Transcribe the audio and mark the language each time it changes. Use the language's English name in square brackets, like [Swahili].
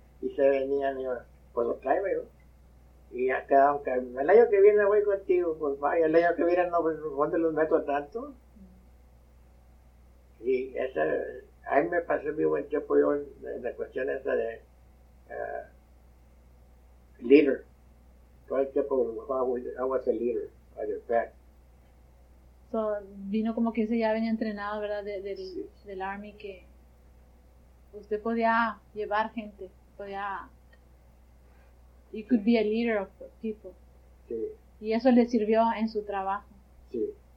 [Spanish] Y se venían y yo, pues lo traigo yo. Y ya quedaron que el año que viene voy contigo, pues vaya, el año que viene no, pues ¿dónde los meto tanto? Y ese, ahí me pasé mi buen tiempo yo en la cuestión esa de leader. Todo el tiempo [English] I was a leader, I did that. [Spanish] So, vino como que ese ya venía entrenado, ¿verdad? Del Army, que usted podía llevar gente, podía. [English] You could be a leader of people. [Spanish] Sí. Y eso le sirvió en su trabajo. Sí.